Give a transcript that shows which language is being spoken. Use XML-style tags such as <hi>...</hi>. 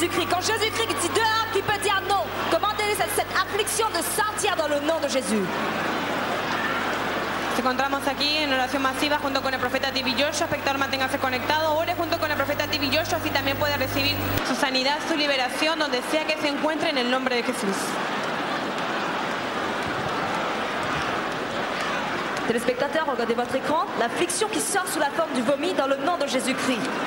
<fr>Quand Jésus-Christ dit dehors, qui peut dire non? Comment est-ce cette affliction de sortir dans le nom de Jésus?</fr> <es>Nous encontramos aquí en oración masiva junto con el profeta TV Joshua. Espectador, manténgase conectado. Ore junto con el profeta TV Joshua, así también puede recibir su sanidad, su liberación, donde sea que se encuentre en el nombre de Jesús.</es> <fr>Téléspectateur, regardez votre écran. L'affliction qui sort sous la forme du vomi dans le nom de Jésus-Christ.</fr>